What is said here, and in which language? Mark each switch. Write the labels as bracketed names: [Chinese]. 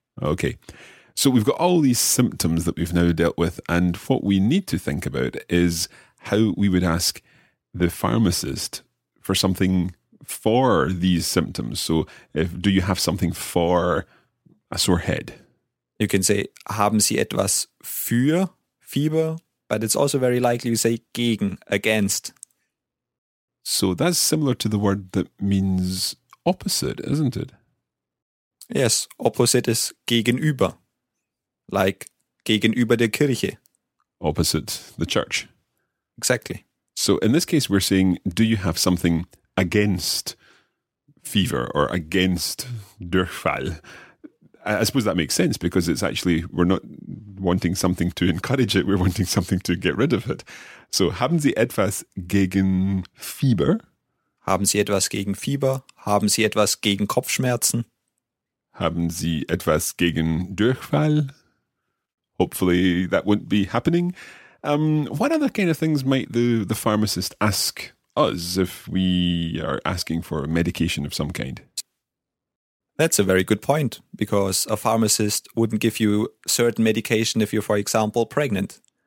[English] Okay, so we've got all these symptoms that we've now dealt with and what we need to think about is how we would ask the pharmacist for something for these symptoms. So if do you have something for a sore head? You can say, [German] haben Sie etwas für Fieber? [English] But it's also very likely you say gegen, against. So that's similar to the word that means opposite, isn't it? Yes, opposite is gegenüber. Like [German] gegenüber der Kirche. [English] Opposite the church. Exactly. So in this case we're saying, do you have something against fever or against Durchfall? I suppose that makes sense because it's actually, we're not wanting something to encourage it, we're wanting something to get rid of it. [German] So, haben Sie etwas gegen Fieber? Haben Sie etwas gegen Fieber? Haben Sie etwas gegen Kopfschmerzen? Haben Sie etwas gegen Durchfall? [English] Hopefully that wouldn't be happening. What other kind of things might the pharmacist ask us if we are asking for medication of some kind? That's a very good point, because a pharmacist wouldn't give you certain medication if you're, for example, pregnant.